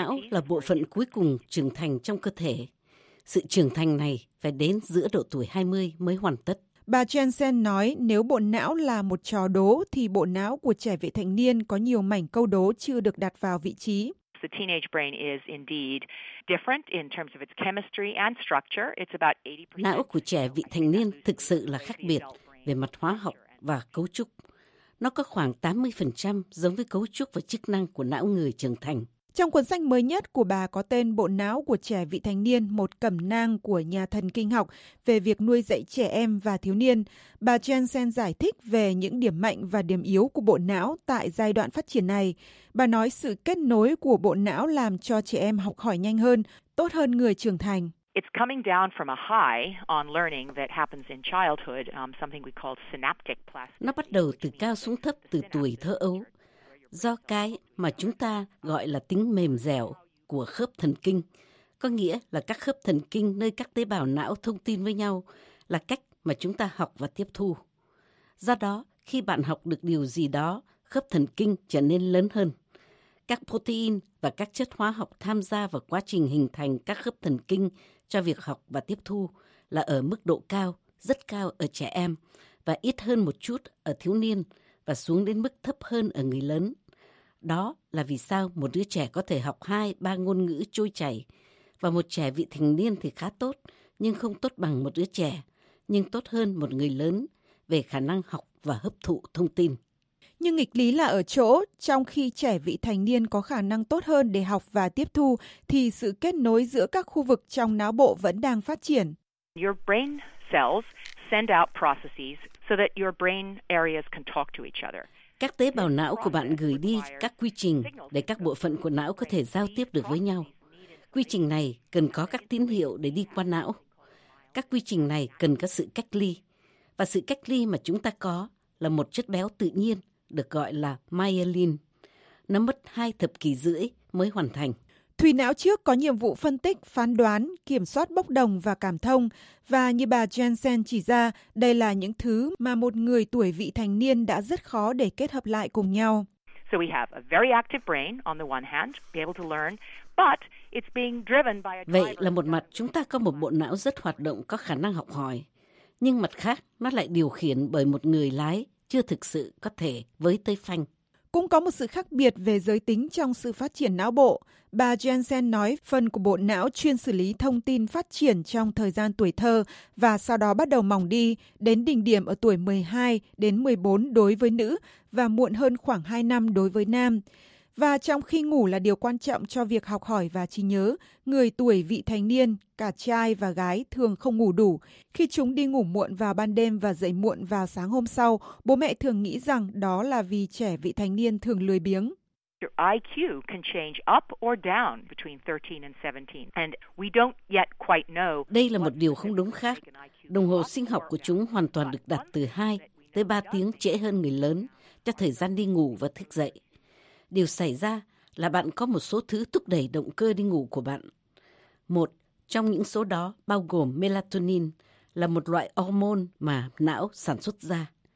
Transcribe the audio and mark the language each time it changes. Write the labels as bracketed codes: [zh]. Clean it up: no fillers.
[vi] là bộ phận cuối cùng trưởng thành trong cơ thể. Sự trưởng thành này phải đến giữa độ tuổi 20 mới hoàn tất. Bà Jensen nói nếu bộ não là một trò đố thì bộ não của trẻ vị thành niên có nhiều mảnh câu đố chưa được đặt vào vị trí. [en] The teenage brain is indeed different in terms of its chemistry and structure. It's about 80%. [vi] Não của trẻ vị thành niên thực sự là khác biệt về mặt hóa học và cấu trúc. Nó có khoảng 80% giống với cấu trúc và chức năng của não người trưởng thành. Trong cuốn sách mới nhất của bà có tên Bộ não của trẻ vị thành niên, một cẩm nang của nhà thần kinh học về việc nuôi dạy trẻ em và thiếu niên, bà Jensen giải thích về những điểm mạnh và điểm yếu của bộ não tại giai đoạn phát triển này. Bà nói sự kết nối của bộ não làm cho trẻ em học hỏi nhanh hơn, tốt hơn người trưởng thành. [en] It's coming down from a high on learning that happens in childhood, something we call synaptic plasticity. [vi] Nó bắt đầu từ cao xuống thấp từ tuổi thơ ấu, do cái mà chúng ta gọi là tính mềm dẻo của khớp thần kinh, có nghĩa là các khớp thần kinh nơi các tế bào não thông tin với nhau là cách mà chúng ta học và tiếp thu. Do đó, khi bạn học được điều gì đó, khớp thần kinh trở nên lớn hơn. Các protein và các chất hóa học tham gia vào quá trình hình thành các khớp thần kinh cho việc học và tiếp thu là ở mức độ cao, rất cao ở trẻ em và ít hơn một chút ở thiếu niên và xuống đến mức thấp hơn ở người lớn. Đó là vì sao một đứa trẻ có thể học 2-3 ngôn ngữ trôi chảy và một trẻ vị thành niên thì khá tốt nhưng không tốt bằng một đứa trẻ, nhưng tốt hơn một người lớn về khả năng học và hấp thụ thông tin. Nhưng nghịch lý là ở chỗ, trong khi trẻ vị thành niên có khả năng tốt hơn để học và tiếp thu, thì sự kết nối giữa các khu vực trong não bộ vẫn đang phát triển. [en] Your brain cells send out processes so that your brain areas can talk to each other. [vi] Các tế bào não của bạn gửi đi các quy trình để các bộ phận của não có thể giao tiếp được với nhau. Quy trình này cần có các tín hiệu để đi qua não. Các quy trình này cần có sự cách ly. Và sự cách ly mà chúng ta có là một chất béo tự nhiên, được gọi là myelin. Nó mất 2 thập kỷ rưỡi mới hoàn thành. Thùy não trước có nhiệm vụ phân tích, phán đoán, kiểm soát bốc đồng và cảm thông. Và như bà Jensen chỉ ra, đây là những thứ mà một người tuổi vị thành niên đã rất khó để kết hợp lại cùng nhau. [en] So we have a very active brain on the one hand, be able to learn, but it's being driven by a driver. [vi] Vậy là một mặt chúng ta có một bộ não rất hoạt động, có khả năng học hỏi. Nhưng mặt khác, nó lại điều khiển bởi một người lái chưa thực sự có thể với tay phanh. Cũng có một sự khác biệt về giới tính trong sự phát triển não bộ. Bà Jensen nói phần của bộ não chuyên xử lý thông tin phát triển trong thời gian tuổi thơ và sau đó bắt đầu mỏng đi đến đỉnh điểm ở tuổi 12 đến 14 đối với nữ và muộn hơn khoảng 2 năm đối với nam. Và trong khi ngủ là điều quan trọng cho việc học hỏi và trí nhớ, người tuổi vị thành niên, cả trai và gái thường không ngủ đủ. Khi chúng đi ngủ muộn vào ban đêm và dậy muộn vào sáng hôm sau, bố mẹ thường nghĩ rằng đó là vì trẻ vị thành niên thường lười biếng. [en] Your IQ can change up or down between 13 and 17, and we don't yet quite know. [vi] Đây là một điều không đúng khác. Đồng hồ sinh học của chúng hoàn toàn được đặt từ 2 tới 3 tiếng trễ hơn người lớn cho thời gian đi ngủ và thức dậy. Điều xảy ra là bạn có một số thứ thúc đẩy động cơ đi ngủ của bạn. Một trong những số đó bao gồm melatonin, là một loại hormone mà não sản xuất ra.